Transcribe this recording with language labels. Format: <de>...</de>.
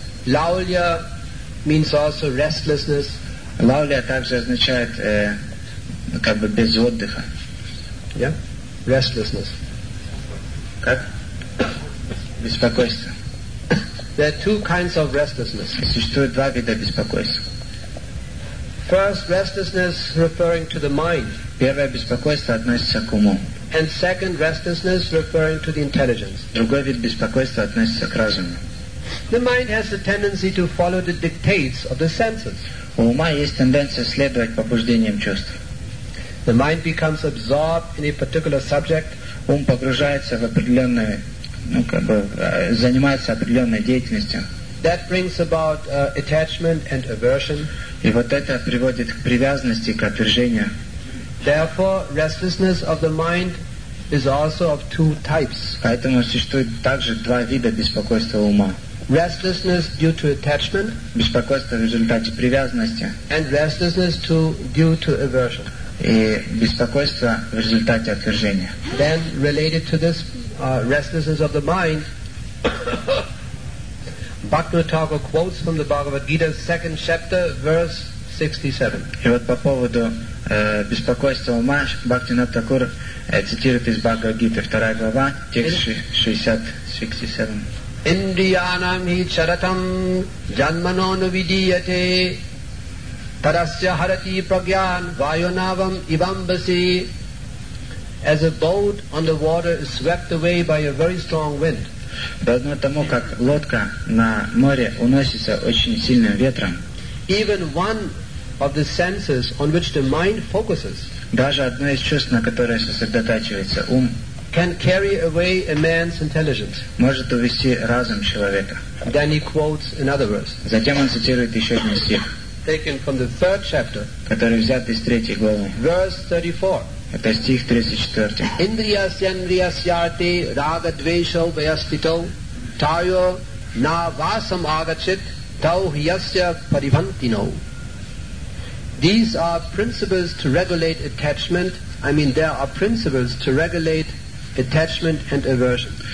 <en>Laulya means also restlessness.</en> <ru>Laulya также означает как бы без отдыха.</ru> <en>Yeah? Restlessness.</en> <ru>Как? Беспокойство.</ru> <en>There are two kinds of restlessness.</en> <ru>Существует два вида беспокойства.</ru> <en>First, restlessness referring to the mind.</en> <ru>Первое беспокойство относится к уму.</ru> <en>And second, restlessness referring to the intelligence.</en> <ru>Другой вид беспокойства относится к разуму.</ru> <en>The mind has a tendency to follow the dictates of the senses.</en> <ru>У ума есть тенденция следовать побуждениям чувств.</ru> <en>The mind becomes absorbed in a particular subject.</en> <ru>Ум погружается в определенную, ну как бы занимается определенной деятельностью.</ru> <en>That brings about attachment and aversion.</en> <ru>И вот это приводит к привязанности, к отвержению.</ru> <en>Therefore, restlessness of the mind is also of two types.</en> <ru>Поэтому существует также два вида беспокойства ума.</ru> <en>Restlessness due to attachment.</en> <ru>Беспокойство в результате привязанности.</ru> <en>And restlessness due to aversion.</en> <ru>И беспокойство в результате отвержения.</ru> <en>Then, related to this restlessness of the mind, Bhaktivinoda Thakur quotes from the Bhagavad Gita, 2nd chapter, verse 67.</en> <ru>И вот по поводу беспокойство ума, Бхактивинода Тхакур цитирует из Бхагавад Гиты, 2 глава, текст 67.</ru> <sa>Индриянам хи чаратам джанмано навидиете тарасья харати прагьян вайонавам ивамбаси.</sa> <en>As a boat on the water is swept away by a very strong wind.</en> <ru>Подобно тому, как лодка на море уносится очень сильным ветром.</ru> <en>Even one of the senses on which the mind focuses.</en> <ru>Даже одно из чувств, на которое сосредотачивается ум,</ru> <en>can carry away a man's intelligence.</en> <ru>Может увести разум человека.</ru> <en>Then he quotes another verse.</en> <ru>Затем он цитирует еще один стих.</ru> <en>Taken from the third chapter.</en> <ru>Который взят из третьей главы.</ru> <en>Verse 34.</en> <ru>Это стих 34.</ru> <sa>Индриясяндриясярте рага двешо вяспито тайо на васам агачит тау хьясья паривантино.</sa> <en>These are principles to regulate attachment. I mean, there are principles to regulate attachment and aversion.</en>